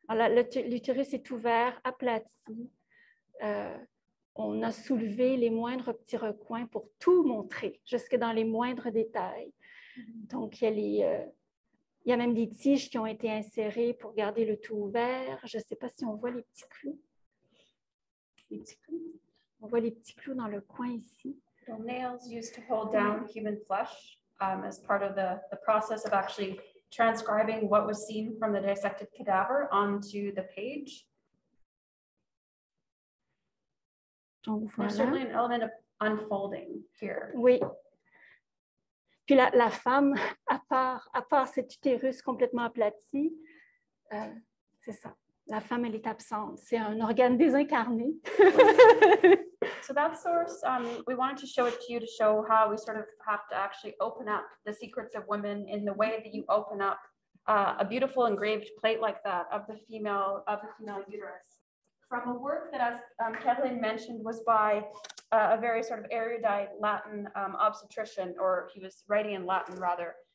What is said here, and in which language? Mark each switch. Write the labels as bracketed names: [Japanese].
[French] L'utérus est ouvert, aplati. On a soulevé les moindres petits recoins pour tout montrer, jusque dans les moindres détails. Donc, il y a même des tiges qui ont été insérées pour garder le tout ouvert. Je ne sais pas si on voit les petits clous. Les petits clous. On voit les petits clous dans le coin ici. [English] Little nails used to hold down human flesh as part of the process of actually transcribing what was seen from the dissected cadaver onto the page. [French] Donc voilà. [English] There's certainly an element of unfolding here. [French] Oui. Puis la femme, à part cet utérus complètement aplati, c'est ça. La femme, elle est absente. C'est un organe désincarné. [English] So that source, we wanted to show it to you to show how we sort of have to actually open up the secrets of women in the way that you open up a beautiful engraved plate like that of the female uterus. From a work that, as Kathleen mentioned, was by a very sort of erudite Latin obstetrician, or he was writing in Latin rather,